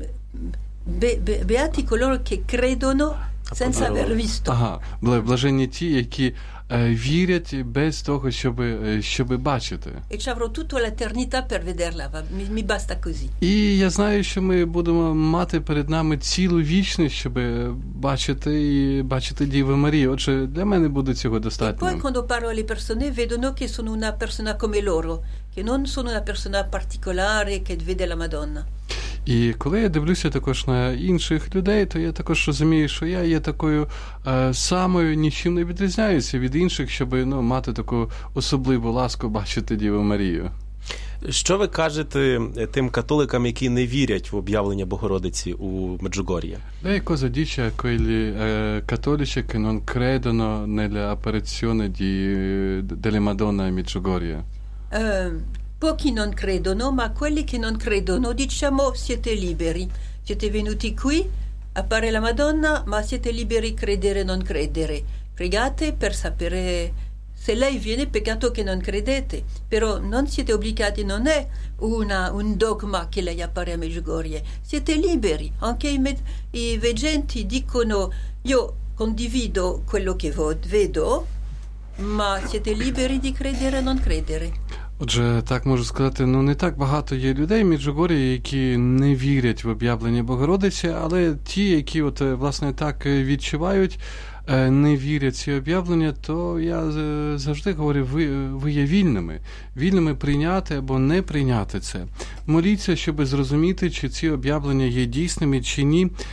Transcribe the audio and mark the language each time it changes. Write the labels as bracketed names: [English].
[Italian] Beati coloro che credono senza aver visto. [Ukrainian] Блаженні ті, які Вірять без того, щоб бачити. [Italian] E ci avrò tutta l'eternità per vederla, mi basta così. [Ukrainian] І я знаю, що ми будемо мати перед нами цілу вічність, щоб бачити Діву Марію. Отже, для мене буде цього достатньо. [Italian] E poi quando parlo alle persone vedono che sono una persona come loro, che non sono una persona particolare che vede la Madonna. [Ukrainian] І коли я дивлюся також на інших людей, то я також розумію, що я є такою самою, нічим не відрізняюся від інших, щоб мати таку особливу ласку бачити Діву Марію. Що ви кажете тим католикам, які не вірять в об'явлення Богородиці у Меджугор'ї? [Italian] Деяко задіча, коли католичі, ки нон кредено не для апаріціоне ділі Мадонна і Меджугор'я? Pochi non credono, ma quelli che non credono, diciamo, siete liberi. Siete venuti qui, appare la Madonna, ma siete liberi credere o non credere. Pregate per sapere se lei viene, peccato che non credete. Però non siete obbligati, non è un dogma che lei appare a Međugorje. Siete liberi. Anche i veggenti dicono, io condivido quello che vedo, ma siete liberi di credere o non credere. [Ukrainian] Отже, так можу сказати, не так багато є людей в Меджугор'ї, які не вірять в об'явлення Богородиці, але ті, які власне так відчувають, не вірять ці об'явлення, то я завжди говорю, ви є вільними. Вільними прийняти або не прийняти це. Моліться, щоб зрозуміти, чи ці об'явлення є дійсними, чи ні.